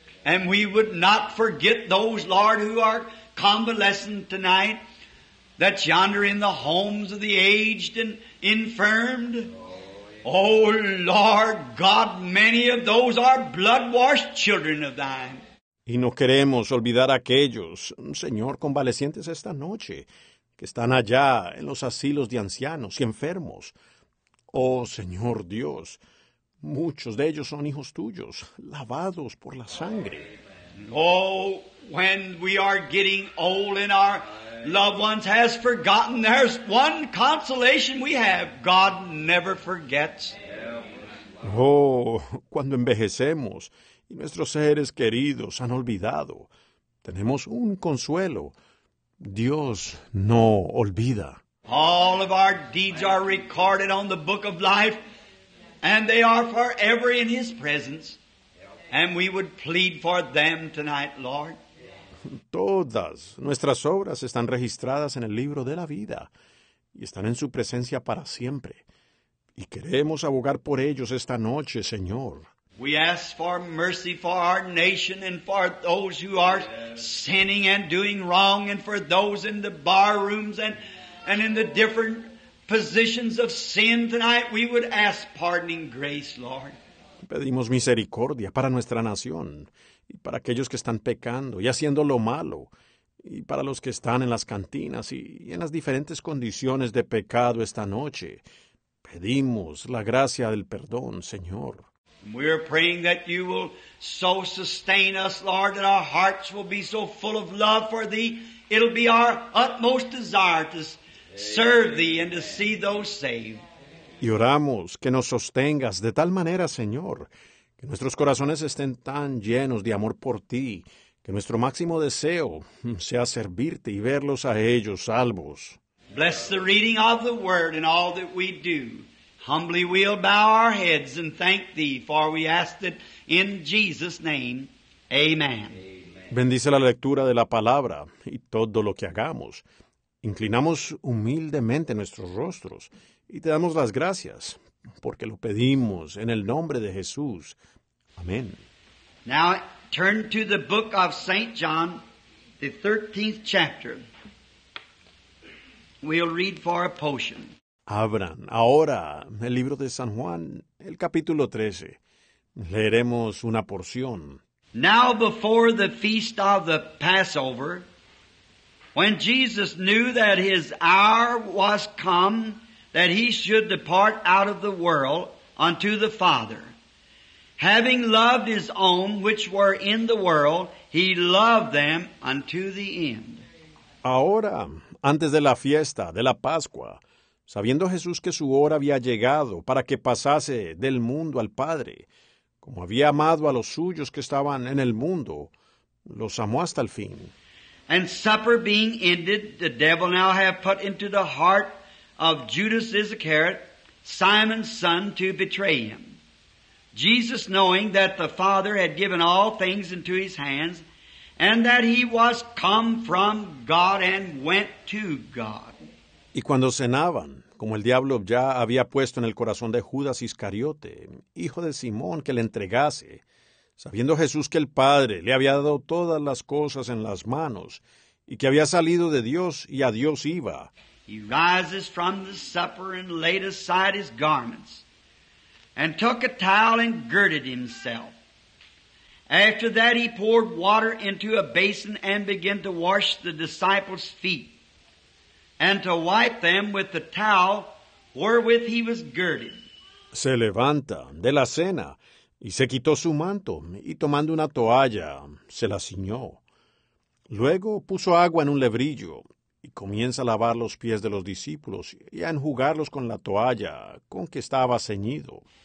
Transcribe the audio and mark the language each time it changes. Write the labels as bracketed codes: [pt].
[en] And we would not forget those, Lord, who are convalescent tonight, that yonder in the homes of the aged and infirmed. Oh, Lord God, many of those are blood-washed children of thine. [es] Y no queremos olvidar a aquellos, Señor, convalecientes esta noche, que están allá en los asilos de ancianos y enfermos. Oh, Señor Dios, muchos de ellos son hijos tuyos, lavados por la sangre. [en] Oh, when we are getting old and our loved ones has forgotten, there's one consolation we have. God never forgets. [es] Oh, cuando envejecemos y nuestros seres queridos han olvidado, tenemos un consuelo. Dios no olvida. [en] All of our deeds are recorded on the book of life, and they are forever in His presence. And we would plead for them tonight, Lord. [es] Todas nuestras obras están registradas en el libro de la vida y están en su presencia para siempre. Y queremos abogar por ellos esta noche, Señor. [en] We ask for mercy for our nation and for those who are sinning and doing wrong and for those in the bar rooms and in the different positions of sin tonight. We would ask pardoning grace, Lord. [es] Pedimos misericordia para nuestra nación. Y para aquellos que están pecando y haciendo lo malo, y para los que están en las cantinas y en las diferentes condiciones de pecado esta noche, pedimos la gracia del perdón, Señor. [en] We are praying that you will so sustain us, Lord, that our hearts will be so full of love for thee, it'll be our utmost desire to serve thee and to see those saved. [es] Y oramos que nos sostengas de tal manera, Señor, que nuestros corazones estén tan llenos de amor por ti, que nuestro máximo deseo sea servirte y verlos a ellos salvos. [en] Bless the reading of the word and all that we do. Humbly we'll bow our heads and thank thee, for we ask it in Jesus' name. Amen. [es] Bendice la lectura de la palabra y todo lo que hagamos. Inclinamos humildemente nuestros rostros y te damos las gracias. Porque lo pedimos en el nombre de Jesús. Amén. [en] Now turn to the book of St. John, the 13th chapter. We'll read for a portion. [es] Abran ahora el libro de San Juan, el capítulo 13. Leeremos una porción. [en] Now before the feast of the Passover, when Jesus knew that his hour was come, that he should depart out of the world unto the Father. Having loved his own which were in the world, he loved them unto the end. [es] Ahora, antes de la fiesta de la Pascua, sabiendo Jesús que su hora había llegado para que pasase del mundo al Padre, como había amado a los suyos que estaban en el mundo, los amó hasta el fin. [en] And supper being ended, the devil now have put into the heart of Judas Iscariot, Simon's son, to betray him. Jesus, knowing that the Father had given all things into his hands, and that he was come from God and went to God. [es] Y cuando cenaban, como el diablo ya había puesto en el corazón de Judas Iscariote, hijo de Simón, que le entregase, sabiendo Jesús que el Padre le había dado todas las cosas en las manos, y que había salido de Dios y a Dios iba, [en] he rises from the supper and laid aside his garments and took a towel and girded himself. After that he poured water into a basin and began to wash the disciples' feet and to wipe them with the towel wherewith he was girded. [es] Se levanta de la cena y se quitó su manto y tomando una toalla se la ciñó. Luego puso agua en un lebrillo y comienza a lavar los pies de los discípulos y a enjugarlos con la toalla con que estaba ceñido.